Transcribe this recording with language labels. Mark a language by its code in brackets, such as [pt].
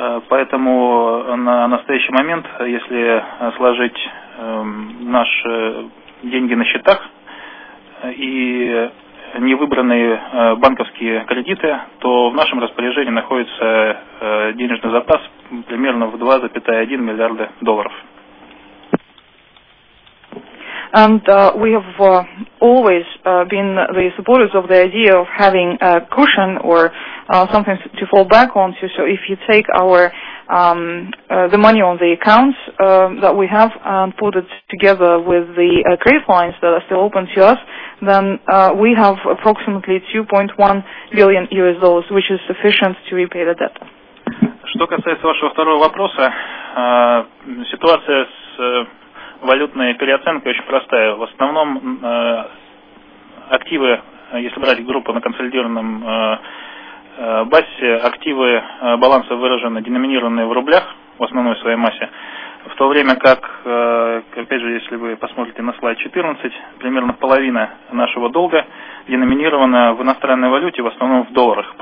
[ru] Поэтому на настоящий момент, если сложить наши деньги на счетах и невыбранные банковские кредиты, то в нашем распоряжении находится денежный запас примерно в 2,1 миллиарда долларов. [en] And we have always been the supporters of the idea of having a cushion or something to fall back onto. So if you take our the money on the accounts that we have and put it together with the credit lines that are still open to us, then we have approximately $2.1 billion, which is sufficient to repay the debt. [ru] Что касается вашего второго вопроса, ситуация с валютная переоценка очень простая. В основном активы, если брать группу на консолидированном базе, активы баланса выражены, деноминированные в рублях в основной своей массе, в то время как, опять же, если вы посмотрите на слайд 14, примерно половина нашего долга деноминирована в иностранной валюте, в основном в долларах.